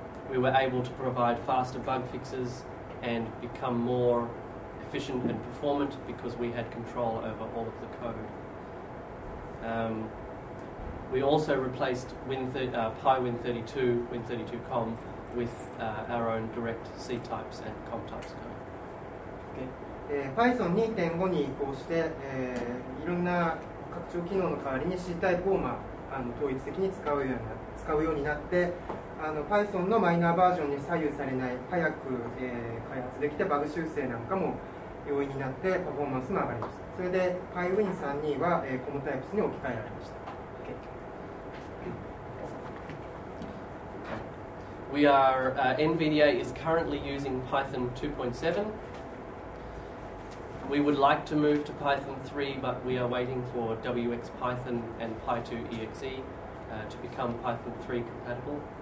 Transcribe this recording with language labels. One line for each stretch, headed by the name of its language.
English: we were able to provide faster bug fixes and become more efficient and performant because we had control over all of the code. We also replaced Win32com with our own direct C types and com types code.
Japanese: Python 2.5 に移行して、いろんな拡張機能の代わりに C タイプを、まあ、統一的に使うようになって、Python のマイナーバージョンに左右されない、早く、開発できてバグ修正なんかも容易になってパフォーマンスも上がりました。それで PyWin32 は、コムタイプスに置き換えられました。
English: We are, NVDA is currently using Python 2.7. We would like to move to Python 3, but we are waiting for WXPython and Py2exe to become Python 3 compatible.